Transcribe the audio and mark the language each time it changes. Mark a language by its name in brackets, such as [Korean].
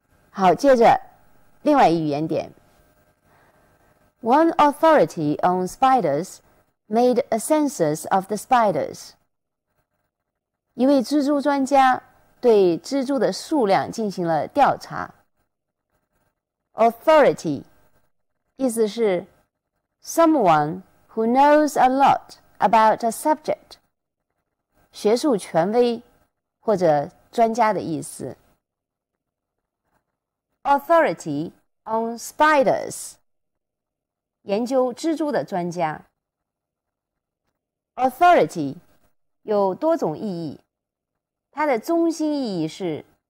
[Chinese] 好，接着另外一语言点。 [English] One authority on spiders. Made a census of the spiders. [Chinese] 一位蜘蛛专家对蜘蛛的数量进行了调查。 [English] Authority [Chinese] 意思是 [English] someone who knows a lot about a subject. [Chinese] 学术权威或者专家的意思。 [English] Authority on spiders. [Chinese] 研究蜘蛛的专家。 Authority 有多种意义，它的中心意义是